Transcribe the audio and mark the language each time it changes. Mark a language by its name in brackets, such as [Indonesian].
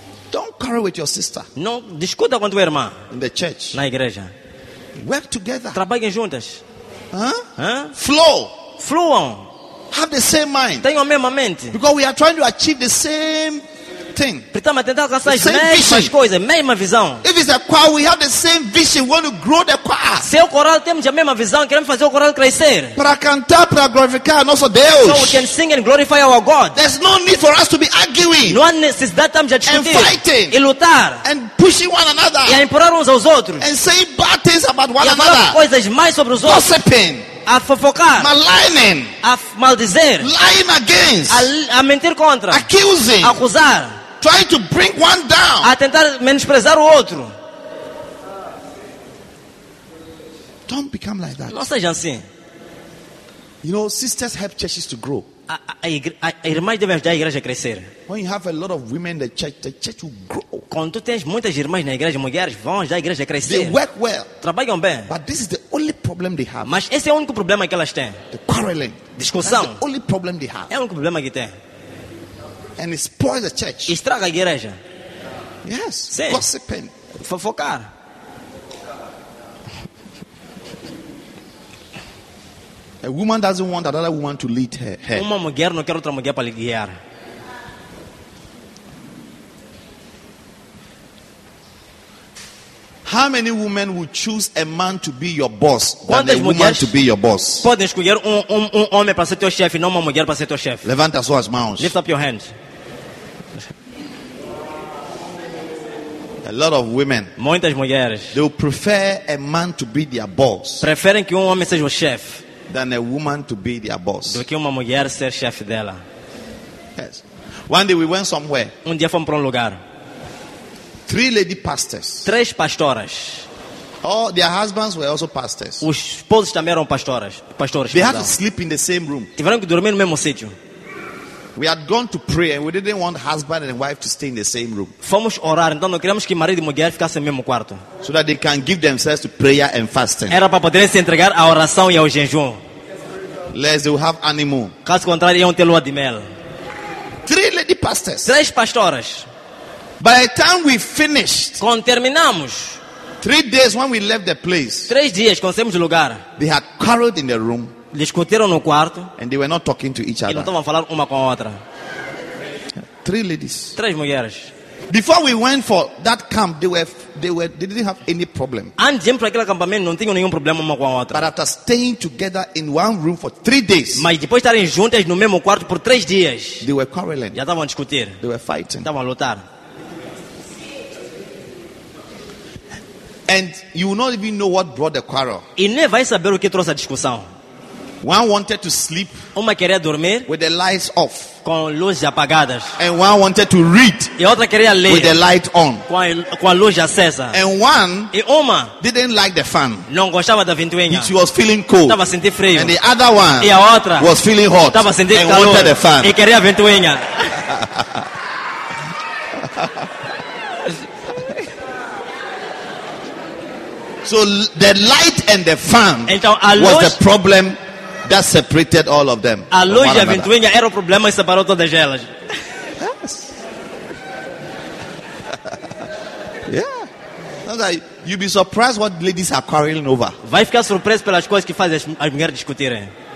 [English] Don't quarrel with your sister. [Portuguese] Não discuta com tua irmã. [English] In the church. [Portuguese] Na igreja. [English] Work together. [Portuguese] Trabalhem juntas. [English] Flow. [Portuguese] Fluam. [English] Have the same mind. [Portuguese] Tenho a mesma mente. [English] Because we are trying to achieve the same thing. [Portuguese] Estamos a tentar alcançar as mesmas coisas, mesma visão. [English] If it's a choir, we have the same vision. We want to grow the choir. [Portuguese] Se é o coral, temos a mesma visão. Queremos fazer o coral crescer. Para cantar, para glorificar nosso Deus. [English] So we can sing and glorify our God. There's no need for us to be arguing. [Portuguese] Não há necessidade de discutir. [English] And fighting. [Portuguese] E lutar. [English] And pushing one another. [Portuguese] E empurrar uns aos outros. [English] And saying bad things about one another. [Portuguese] E falar coisas mais sobre os outros. [English] Gossiping. [Portuguese] A fofocar, [English] maligning, [Portuguese] a maldizer, [English] lying against, [Portuguese] a mentir contra, [English] accusing, [Portuguese] a acusar, [English] trying to bring one down, [Portuguese] a tentar menosprezar o outro. [English] Don't become like that. [Portuguese] Não seja assim. [English] You know, sisters help churches to grow. [Portuguese] A irmãs devem ajudar a igreja a crescer. [English] When you have a lot of women in the church will grow. [Portuguese] Quando tu tens muitas irmãs na igreja, mulheres vão ajudar a igreja a crescer. [English] They work well. [Portuguese] Trabalham bem. [English] But this is the only problem they have. [Portuguese] Mas esse é o único problema que elas têm. [English] The quarreling. [Portuguese] Discussão. [English] That's the only problem they have. [Portuguese] É o único problema que têm. [English] And it spoils the church. [Portuguese] Estraga a igreja. [English] Yes. [Portuguese] Sim. [English] Gossiping. [Portuguese] Fofocar. [English] A woman doesn't want another woman to lead her. [Portuguese] Uma mulher não quer outra mulher para guiar. [English] How many women would choose a man to be your boss than a woman to be your boss? [Portuguese] Pode escolher um homem para ser teu chefe e não uma mulher para ser teu chefe. Levant as suas mãos. [English] Lift up your hands. A lot of women. [Portuguese] Muitas mulheres. [English] They would prefer a man to be their boss. [Portuguese] Preferem que homem seja o chefe. [English] Than a woman to be their boss. [Portuguese] Do que uma mulher ser chefe dela. [English] Yes. One day we went somewhere. [Portuguese] Dia fomos para lugar. [English] Three lady pastors. [Portuguese] Três pastoras. [English] Oh, their husbands were also pastors. [Portuguese] Os esposos também eram pastoras. Pastores. [English] They had to sleep in the same room. [Portuguese] Tiveram que dormir no mesmo sítio. [English] We had gone to pray and we didn't want husband and wife to stay in the same room. [Portuguese] Fomos orar, então não queríamos que marido e mulher ficassem no mesmo quarto. [English] So that they can give themselves to prayer and fasting. [Portuguese] Era para poderem se entregar à oração e ao jejum. [English] Lest they will have animal. [Portuguese] Caso contrário, iam ter lua de mel. [English] Three lady pastors. [Portuguese] Três pastoras. [English] By the time we finished, [Portuguese] quando terminamos, [English] 3 days when we left the place, [Portuguese] 3 dias quando saímos do lugar, [English] they had quarreled in the room, [Portuguese] discutiram no quarto, [English] and they were not talking to each other. [Portuguese] E não estavam a falar uma com a outra. [English] 3 ladies. [Portuguese] 3 mulheres. [English] Before we went for that camp, they didn't have any problem. [Portuguese] Antes para aquele acampamento não tinham nenhum problema uma com a outra. [English] But after staying together in one room for 3 days, [Portuguese] mas depois estarem juntas no mesmo quarto por 3 dias, [English] they were quarreling. [Portuguese] Já estavam a discutir. [English] They were fighting. [Portuguese] Estavam a lutar. [English] And you will not even know what brought the quarrel. [Portuguese] E nem vai saber o que trouxe a discussão. [English] One wanted to sleep. [Portuguese] Uma queria dormir. [English] With the lights off. [Portuguese] Com luzes apagadas. [English] And one wanted to read. [Portuguese] E outra queria ler. [English] With the light on. [Portuguese] Com a luz acesa. [English] And one. [Portuguese] E uma. [English] Didn't like the fan. [Portuguese] Não gostava da ventoinha. [English] She was feeling cold. [Portuguese] Estava a sentir frio. [English] And the other one. [Portuguese] E a outra. [English] Was feeling hot. [Portuguese] Estava a sentir [English] and [Portuguese] calor. [English] And wanted the fan. [Portuguese] E queria a ventoinha. [English] So the light and the fan, [Portuguese] então, luz, [English] was the problem that separated all of them. [Portuguese] A luz e a ventoinha era o problema e separou todas elas. [English] Yes. Yeah. You'll be surprised what ladies are quarreling over. [Portuguese] Vai ficar surpreso pelas coisas que fazem as mulheres discutirem.